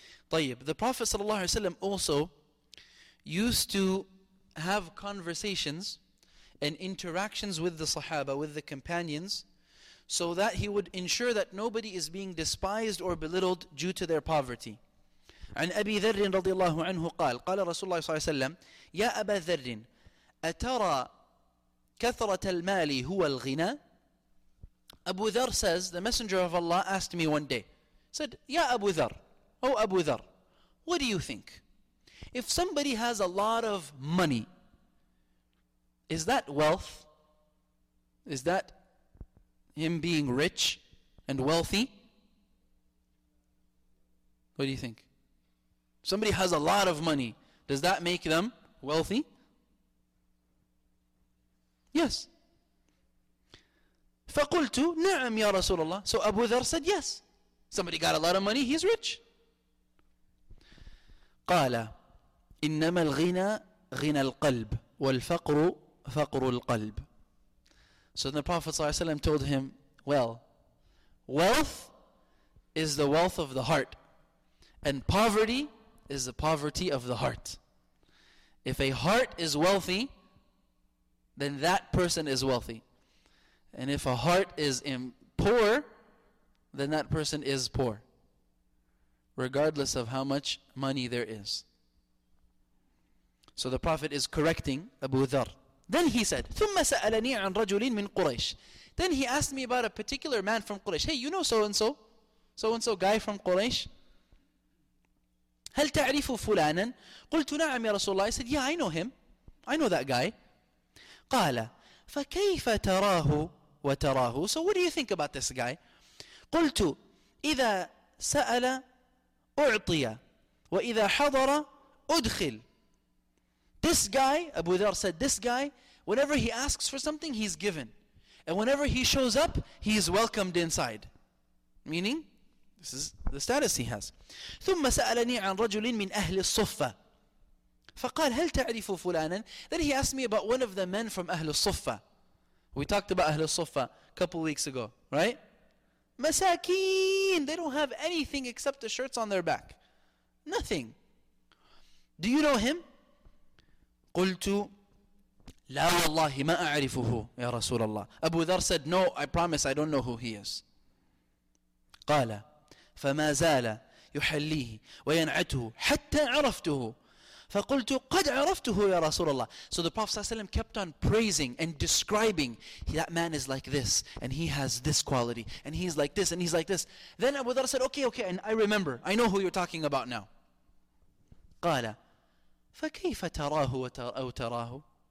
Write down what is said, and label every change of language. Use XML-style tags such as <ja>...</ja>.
<en>طيب, the Prophet</en> <ar>صلى الله عليه وسلم</ar> <en>also used to have conversations and interactions with the Sahaba, with the companions, so that he would ensure that nobody is being despised or belittled due to their poverty.</en> <ar>عن أبي ذر رضي الله عنه قال قال رسول الله صلى الله عليه وسلم يا أبا ذر أترى كثرة المال هو الغنى.</ar> <en>Abu Dharr says, the Messenger of Allah asked me one day, said,</en> <ar>يا أبو ذر,</ar> <en>oh Abu Dharr, what do you think? If somebody has a lot of money, is that wealth? Is that him being rich and wealthy? What do you think? Somebody has a lot of money, does that make them wealthy? Yes.</en> <ar>فَقُلْتُ نَعَمْ يَا رَسُولَ اللَّهِ.</ar> <en>So Abu Dharr said yes. Somebody got a lot of money, he's rich.</en> <ar>قَالَ إنما الغنى غنى القلب والفقر فقر القلب.</ar> <en>So the Prophet ﷺ told him, well, wealth is the wealth of the heart and poverty is the poverty of the heart. If a heart is wealthy, then that person is wealthy. And if a heart is poor, then that person is poor, regardless of how much money there is. So the Prophet is correcting Abu Dharr. Then he said,</en> <ar>ثُمَّ سَأَلَنِي عَنْ رَجُلٍ مِّنْ قُرَيْشٍ.</ar> <en>Then he asked me about a particular man from Quraysh. Hey, you know so-and-so? So-and-so guy from Quraysh?</en> <ar>هَلْ تَعْرِفُ فُلَانًا؟ قُلْتُ نَعَمْ يَا رَسُولَ اللَّهِ.</ar> <en>I said, yeah, I know him. I know that guy.</en> <ar>قَالَ فَكَيْفَ تَرَاهُ وَتَرَاهُ.</ar> <en>So what do you think about this guy?</en> <ar>قُلْتُ إِذَا سَأَلَ أُعْطِيَ وَإِذَا حَضَرَ أُدْخِلْ.</ar> <en>This guy, Abu Dharr said, this guy, whenever he asks for something, he's given. And whenever he shows up, he's welcomed inside. Meaning, this is the status he has.</en> <ar>ثُمَّ سَأَلَنِي عَنْ رَجُلٍ مِّنْ أَهْلِ الصُّفَّةِ فَقَالْ هَلْ تَعْرِفُ فُلَانًا.</ar> <en>Then he asked me about one of the men from Ahlul Suffah. We talked about Ahlul Suffah a couple weeks ago, right? مَسَاكِينَ. They don't have anything except the shirts on their back. Nothing. Do you know him?</en> <ar>قلت لا والله ما أعرفه يا رسول الله.</ar> <en>Abu Dharr said, no, I promise I don't know who he is.</en> <ar>قال فما زال يحليه وينعته حتى عرفته. فقلت قد عرفته يا رسول الله.</ar> <en>So the Prophet ﷺ kept on praising and describing, that man is like this and he has this quality and he's like this and he's like this. Then Abu Dharr said, okay, and I remember, I know who you're talking about now.</en> <ar>قال فَكَيْفَ تَرَاهُ وَتَرَاهُ.</ar>